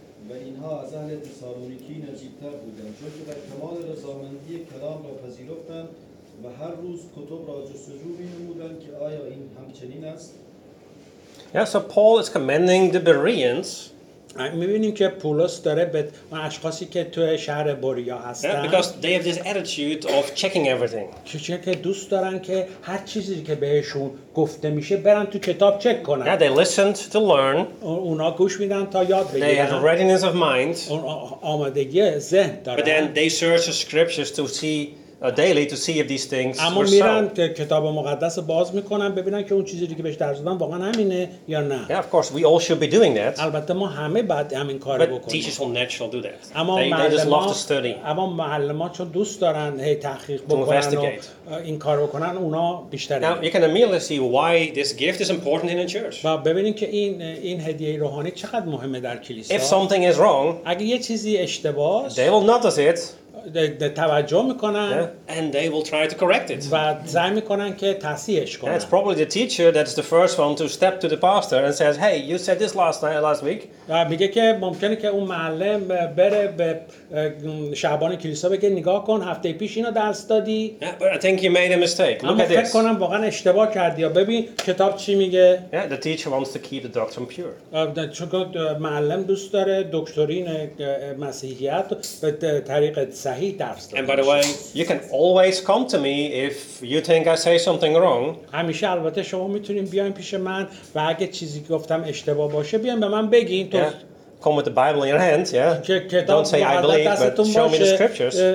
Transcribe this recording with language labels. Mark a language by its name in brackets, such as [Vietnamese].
[Persian] و اینها از اهل تسالونیکی نزدیکتر بودند چون که بر کمال رضامندی کلام را پذیرفتند و هر روز کتب را جستجو می‌نمودند که آیا این همچنین است [English] Yeah, so Paul is commending the Bereans [Persian] می‌بینیم که پولس داره به اون اشخاصی که توی شهر بوریا هستن [English] Yeah, because they have this attitude of checking everything [Persian] که دوست دارن که هر چیزی که بهشون گفته میشه برن تو کتاب چک کنن [English] Yeah, they listened to learn [Persian] اونا گوش میدن تا یاد بگیرن [English] They have readiness of mind [Persian] آمادگی ذهن دارن [English] But then they search the scriptures to see daily to see if these things [Persian] اما میرن که کتاب مقدس باز میکنن ببینن که اون چیزی که بهش درس دادن واقعا همینه یا نه [English] Yeah, of course we all should be doing that [Persian] البته ما همه باید همین کارو بکنیم [English] But teachers will naturally do that they just love to study [Persian] اما معلمان چون دوست دارن هی تحقیق بکنن و این کارو کنن اونا بیشتر [English] Now you can immediately see why this gift is important in a church [Persian] و ببینین که این هدیه روحانی چقدر مهمه در کلیسا [English] If something is wrong [Persian] اگه یه چیزی اشتباه [English] They will notice it [Persian] ده توجه میکنن [English] yeah. and they will try to correct it [Persian] و سعی میکنن که تصحیحش کنن [English] that's probably the teacher that's the first one to step to the pastor and says hey you said this last week [Persian] میگه که ممکنه که اون معلم بره به شعبان کلیسا بگه نگاه کن هفته پیش اینو درس دادی [English] yeah, I think you made a mistake look at this [Persian] اما فکر کنم واقعا اشتباه کردی یا ببین کتاب چی میگه [English] yeah, the teacher wants to keep the doctrine pure [Persian] چون معلم دوست داره دکترین مسیحیت به طریق صحیح درس داده. [English] And by the way, you can always come to me if you think I say something wrong. [Persian] همیشه البته شما میتونین بیاین پیش من و اگه چیزی گفتم اشتباه باشه بیاین به من بگین تو. [English] Come with the Bible in your hand, yeah. Don't say I believe, but show me the scriptures.